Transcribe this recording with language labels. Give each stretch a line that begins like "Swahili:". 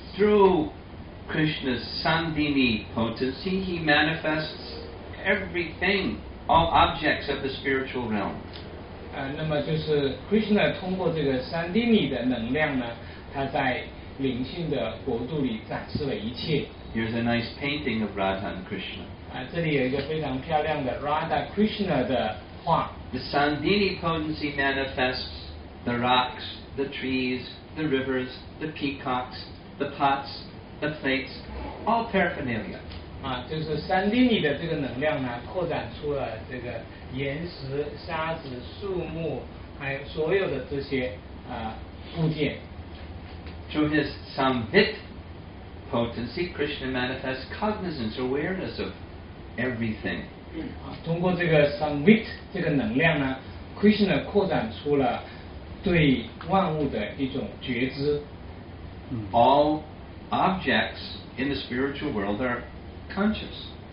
English: Through Krishna's Sandini potency, he manifests everything, all objects of the spiritual realm.
Chinese: 那么就是 Krishna 通过这个Sandini的能量呢，他在灵性的国度里展示了一切。
English: Here's a nice painting of Radha and Krishna.
Chinese: 这里有一个非常漂亮的Radha Krishna的画。
English: The Sandini potency manifests the rocks, the trees, the rivers, the peacocks, the pots, the plates, all paraphernalia.
Chinese: 就是Sandini的这个能量呢，扩展出了这个岩石、沙子、树木，还有所有的这些部件。
English: Through his Sambit potency, Krishna manifests cognizance, awareness of everything.
Chinese: 通过这个Sambit这个能量呢， Krishna 扩展出了对万物的一种觉知。
English: All objects in the spiritual world are conscious.